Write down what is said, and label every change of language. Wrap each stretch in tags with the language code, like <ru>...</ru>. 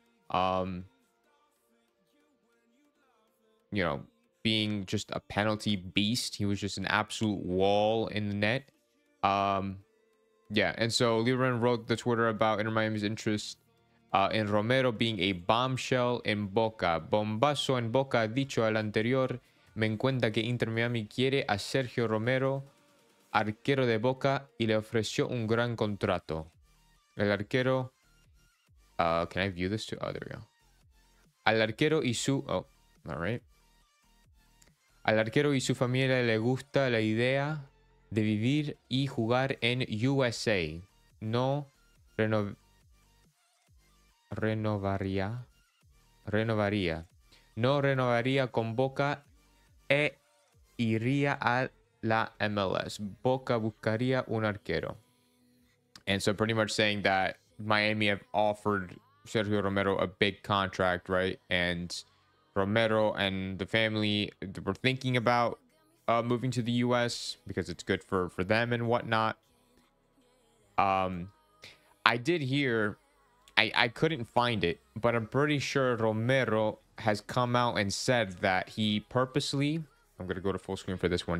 <en>You know, being just a penalty beast. He was just an absolute wall in the net. Yeah, and so Lieberman wrote the Twitter about Inter Miami's interest in Romero being a bombshell in Boca.</en> <es>Bombazo en Boca, dicho al anterior, me encuentra que Inter Miami quiere a Sergio Romero, arquero de Boca, y le ofreció un gran contrato. El arquero...</es> <en>can I view this too? Oh, there we go.</en> <es>Al arquero y su...</es> <en>Oh, all right.</en> <es>Al arquero y su familia le gusta la idea de vivir y jugar en USA. No renovaría. No renovaría con Boca e iría a la MLS. Boca buscaría un arquero.</es> <en>And so pretty much saying that Miami have offered Sergio Romero a big contract, right? And Romero and the family were thinking about moving to the U.S. because it's good for them and whatnot. I did hear, I couldn't find it, but I'm pretty sure Romero has come out and said that he purposely, I'm going to go to full screen for this one.</en>